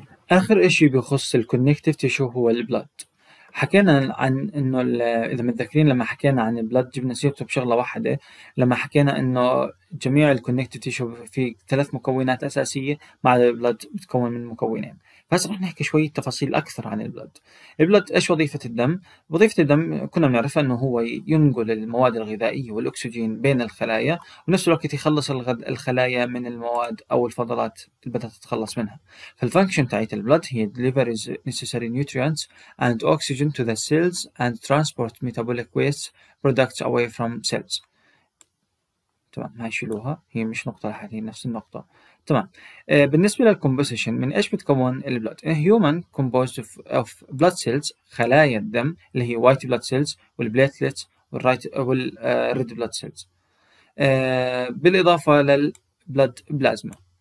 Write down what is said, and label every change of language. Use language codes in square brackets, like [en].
[ar] آخر إشي بخص الكونكتيف تيشو هو البلد. حكينا عن إنه إذا متذكرين لما حكينا عن البلد جبنا سيرته بشغلة واحدة، لما حكينا إنه جميع الكونكتيف تيشو في ثلاث مكونات أساسية، مع البلد بتكون من مكونين. بس رح نحكي شوية تفاصيل أكثر عن البلد. البلد إيش وظيفة الدم؟ وظيفة الدم كنا بنعرفها إنه هو ينقل المواد الغذائية والأكسجين بين الخلايا، ونفس الوقت يخلص الخلايا من المواد أو الفضلات اللي بدها تتخلص منها. فالفانكشن تاعت البلد هي [en] delivers necessary nutrients and oxygen to the cells and transport metabolic waste products away from cells. [ar] تمام، هاي شلوها، هي مش نقطة لحالها، نفس النقطة. تمام، بالنسبة للكومبوزيشن، من ايش بتكون البلد؟ [en] A human composed of blood cells، [ar] خلايا الدم اللي هي white blood cells والبلاتلتس والريد blood cells، بالإضافة للبلد بلازما.